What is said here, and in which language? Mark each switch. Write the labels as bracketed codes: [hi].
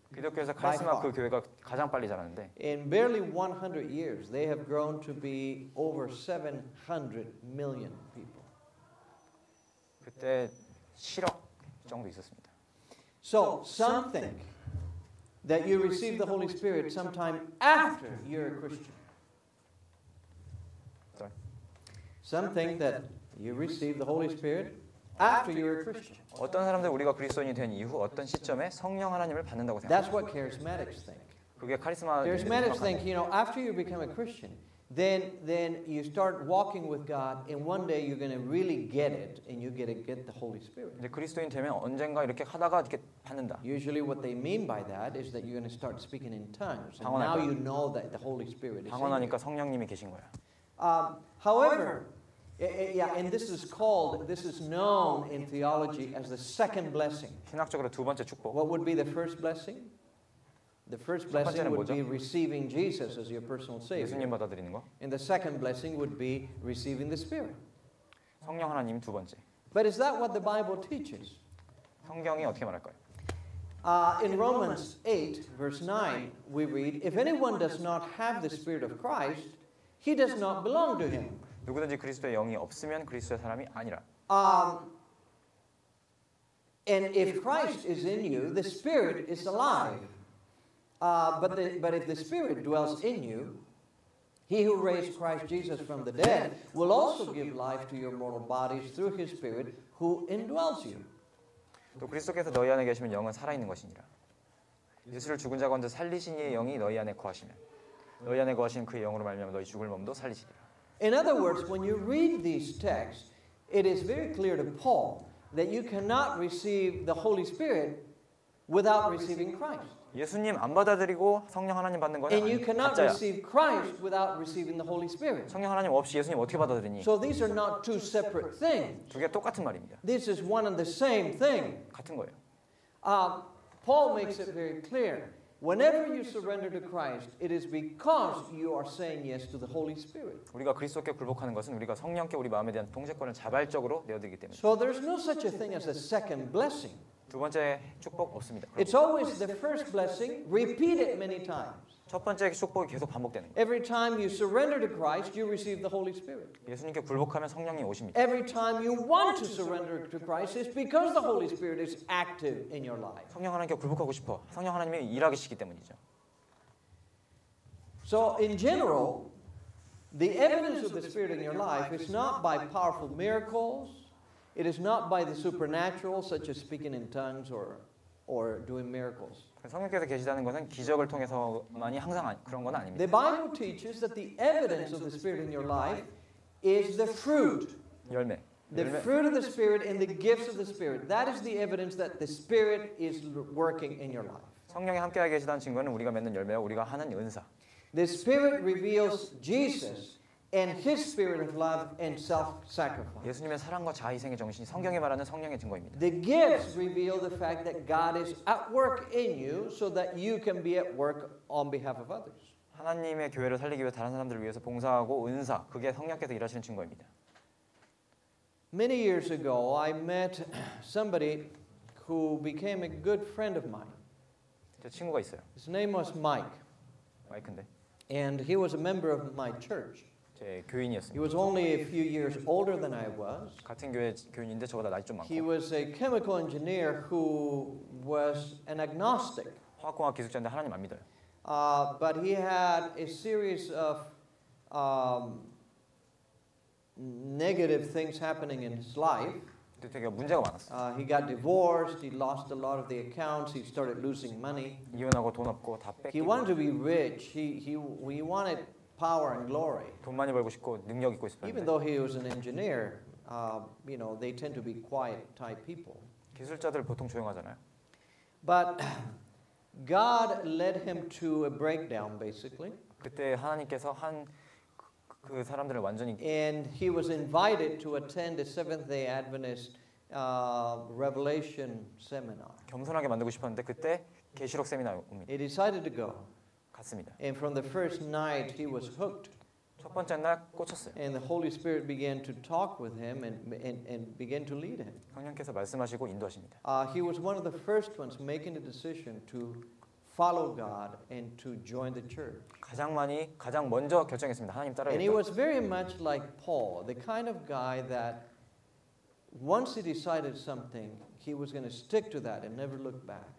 [ko] 기독교에서 카리스마 그 교회가 가장 빨리 자랐는데. [en] In barely 100 years, they have grown to be over 700 million people. [ko] 그때 7억 정도 있었습니다. [en] So some think that you receive the Holy Spirit sometime after you're a Christian. Sorry. Some think that you receive the Holy Spirit after you're a Christian. [ko] 어떤 사람들 우리가 그리스도인이 된 이후 어떤 시점에 성령 하나님을 받는다고 생각해요. [en] That's what charismatics think. [ko] 그게 카리스마. [en] Charismatics think, you know, after you become a Christian, then you start walking with God, and one day you're going to really get it, and you're going to get the Holy Spirit. [ko] 근데 그리스도인 되면 언젠가 이렇게 하다가 이렇게 받는다. [en] Usually, what they mean by that is that you're going to start speaking in tongues, and now you know that the Holy Spirit is. [ko] 방언하니까 성령님이 계신 거야. [en] However. Yeah, and this is called, this is known in theology as the second blessing. [ko] 신학적으로 두 번째 축복. [en] What would be the first blessing? The first blessing would be receiving Jesus as your personal savior. [ko] 예수님 받아들이는 거. [en] And the second blessing would be receiving the Spirit. [ko] 성령 하나님 두 번째. [en] But is that what the Bible teaches? [ko] 성경이 어떻게 말할까요? [en] In Romans 8, verse 9, we read, if anyone does not have the Spirit of Christ, he does not belong to him. [ko] 누구든지 그리스도의 영이 없으면 그리스도의 사람이 아니라. [en] And if Christ is in you, the Spirit is alive. But if the Spirit dwells in you, he who raised Christ Jesus from the dead will also give life to your mortal bodies through his Spirit who indwells you. [ko] 또 그리스도께서 너희 안에 계시면 영은 살아있는 것이니라. 예수를 죽은 자 가운데 살리신 이의 영이 너희 안에 거하시면 너희 안에 거하신 그의 영으로 말미암아 너희 죽을 몸도 살리시리라. [en] In other words, when you read these texts, it is very clear to Paul that you cannot receive the Holy Spirit without receiving Christ. [ko] 예수님 안 받아들이고 성령 하나님 받는 거는 [en] And you cannot receive Christ without receiving the Holy Spirit. [ko] 성령 하나님 없이 예수님 어떻게 받아들이니? [en] So these are not two separate things. [ko] 두 개 똑같은 말입니다. [en] This is one and the same thing. [ko] 같은 거예요. [en] Paul makes it very clear. Whenever you surrender to Christ, it is because you are saying yes to the Holy Spirit. [ko] 우리가 그리스도께 굴복하는 것은 우리가 성령께 우리 마음에 대한 통제권을 자발적으로 내어드리기 때문에. [en] So there's no such a thing as a second blessing. [ko] 두 번째 축복 없습니다. [en] It's always the first blessing repeated many times. [ko] 첫 번째 축복이 계속 반복되는 거예요. [en] Every time you surrender to Christ, you receive the Holy Spirit. [ko] 예수님께 굴복하면 성령이 오십니다. [en] Every time you want to surrender to Christ, it's because the Holy Spirit is active in your life. [ko] 성령 하나님께 굴복하고 싶어. 성령 하나님이 일하시기 때문이죠. [en] So in general, the evidence of the Spirit in your life is not by powerful miracles. It is not by the supernatural, such as speaking in tongues or doing miracles. [ko] 성령께서 계시다는 것은 기적을 통해서만이 항상 그런 건 아닙니다. [en] The Bible teaches that the evidence of the Spirit in your life is the fruit. [ko] 열매. [en] The fruit of the Spirit and the gifts of the Spirit. That is the evidence that the Spirit is working in your life. [ko] 성령이 함께하고 계시다는 증거는 우리가 맺는 열매와 우리가 하는 은사. [en] The Spirit reveals Jesus and His Spirit of love and self-sacrifice. [ko] 예수님의 사랑과 자희생의 정신이 성경에 말하는 성령의 증거입니다. [en] The gifts reveal the fact that God is at work in you, so that you can be at work on behalf of others. [ko] 하나님의 교회를 살리기 위해 다른 사람들을 위해서 봉사하고 은사, 그게 성령께서 일하시는 증거입니다. [en] Many years ago, I met somebody who became a good friend of mine. [ko] 제 친구가 있어요. [en] His name was Mike. [ko] 마이크인데. [en] And he was a member of my church. [ko] 제 교인이었습니다. [en] He was only a few years older than I was. [ko] 같은 교회 교인인데 저보다 나이 좀 많고. [en] He was a chemical engineer who was an agnostic. [ko] 화학공학 기술자인데 하나님 안 믿어요. [en] But he had a series of negative things happening in his life. [ko] 되게 문제가 많았어. [en] He got divorced. He lost a lot of the accounts. He started losing money. [ko] 이혼하고 돈 없고 다 뺏기고. [en] He wanted to be rich. He wanted power and glory. [ko] 돈 많이 벌고 싶고 능력 있고 싶었는데. [en] Even though he was an engineer, you know, they tend to be quiet type people. [ko] 기술자들 보통 조용하잖아요. [en] But God led him to a breakdown basically. [ko] 그때 하나님께서 한 그 사람들을 완전히 [en] And he was invited to attend a Seventh-day Adventist revelation seminar. [ko] 겸손하게 만들고 싶었는데 그때 계시록 세미나에 옵니다. [en] He decided to go. [ko] 갔습니다. [en] And from the first night, he was hooked. [ko] 첫 번째 날 꽂혔어요. [en] And the Holy Spirit began to talk with him and began to lead him. [ko] 성령께서 말씀하시고 인도하십니다. [en] He was one of the first ones making the decision to follow God and to join the church. [ko] 가장 먼저 결정했습니다. 하나님 따라. [en] And he was very much like Paul, the kind of guy that once he decided something, he was going to stick to that and never look back.